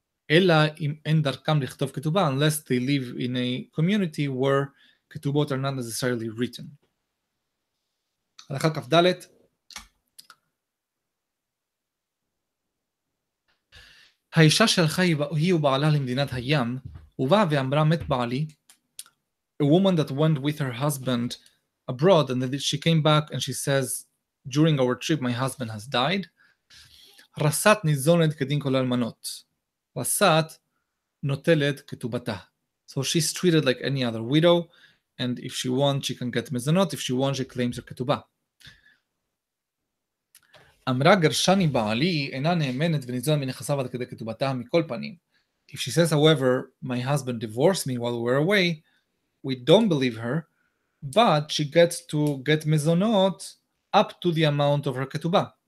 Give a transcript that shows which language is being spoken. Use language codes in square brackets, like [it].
[he] אלא אם אין דרכם לכתוב כתובה, [en] unless they live in a community where כתובות are not necessarily written. [he] הלכה כף דלת, האישה שהלכה היא ובעלה למדינת הים, ובאה ואמרה מת בעלי. [en] A woman that went with her husband abroad, and then she came back and she says, during our trip my husband has died. [he] רסת ניזונת כדין כל אלמנות. רסת נוטלת כתובתה. [en] So she's treated like any other widow, and if she wants she can get מזונות, if she wants she claims her כתובה. [he] אמרה גרשני בעלי אינה נאמנת וניזונה מנכסיו עד כדי כתובתה מכל פנים. [en] If she says, however, my husband divorced me while we were away, we don't believe her, but she gets to get מזונות up to the amount of her כתובה.